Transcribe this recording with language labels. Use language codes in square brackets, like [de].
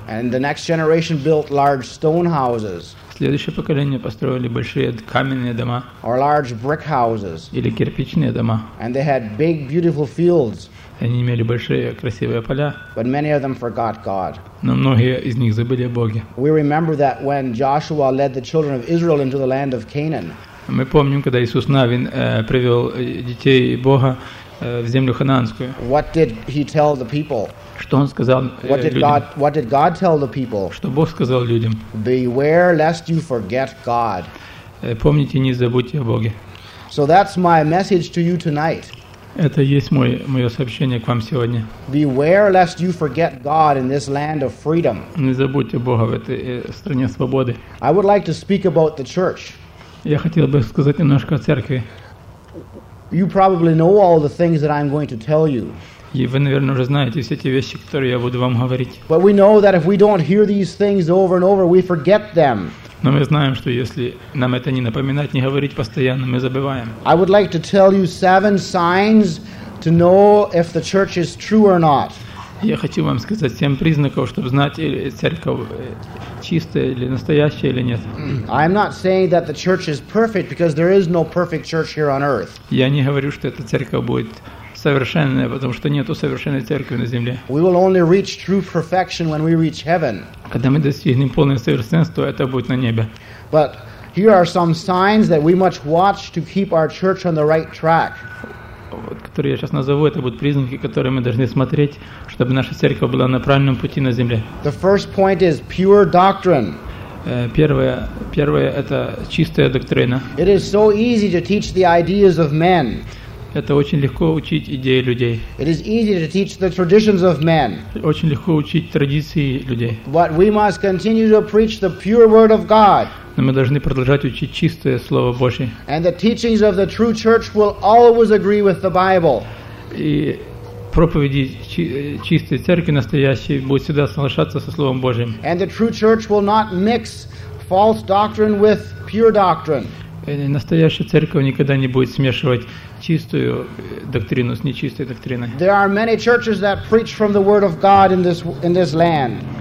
[en] And the next generation built large stone houses. [ru] Следующее поколение построили большие каменные дома. [en] Or large brick houses. [ru] Или кирпичные дома. [en] And they had big, beautiful fields. [ru] Они имели большие красивые поля. [en] But many of them forgot God. [ru] Но многие из них забыли о Боге. [en] We remember that when Joshua led the children of Israel into the land of Canaan. [ru] Мы помним, когда Иисус Навин привел детей Бога в землю Ханаанскую. [en] What did he tell the people? [ru] Что он сказал людям? [en] What did God tell the people? [ru] Что Бог сказал людям? [en] Beware lest you forget God. [ru] Помните, не забудьте о Боге. [en] So that's my message to you tonight. [ru] Это есть мое сообщение к вам сегодня. [en] Beware lest you forget God in this land of freedom. [ru] Не забудьте Бога в этой стране свободы. [en] I would like to speak about the church. [ru] Я хотел бы сказать немножко о церкви. [en] You probably know all the things that I'm going to tell you. [ru] И вы, наверное, уже знаете все те вещи, которые я буду вам говорить. [en] But we know that if we don't hear these things over and over, we forget them. [ru] Но мы знаем, что если нам это не напоминать, не говорить постоянно, мы забываем. [en] I would like to tell you 7 signs to know if the church is true or not. [ru] Я хочу вам сказать 7 признаков, чтобы знать, или церковь чистая или настоящая или нет. [en] I'm not saying that the church is perfect because there is no perfect church here on earth. [ru] Я не говорю, что эта церковь будет совершенная, потому что нету совершенной церкви на земле. [en] We will only reach true perfection when we reach heaven. [ru] Когда мы достигнем полного совершенства, это будет на небе. [en] But here are some signs that we must watch to keep our church on the right track. [ru] Вот, которые я сейчас назову, это будут признаки, которые мы должны смотреть, чтобы наша церковь была на правильном пути на земле. [en] The first point is pure doctrine. [ru] Первое это чистая доктрина. [en] It is so easy to teach the ideas of men. [ru] Это очень легко учить идеи людей. [en] It is easy to teach the traditions of men. [ru] Очень легко учить традиции людей. [en] But we must continue to preach the pure word of God. [ru] Но мы должны продолжать учить чистое слово Божье. [en] And the teachings of the true church will always agree with the Bible. [ru] И проповеди чистой церкви настоящей будут всегда соглашаться со словом Божьим. [en] And the true church will not mix false doctrine with pure doctrine. [ru] Настоящая церковь никогда не будет смешивать чистую доктрину с нечистой доктриной. [en] There are many churches that preach from the word of God in this land.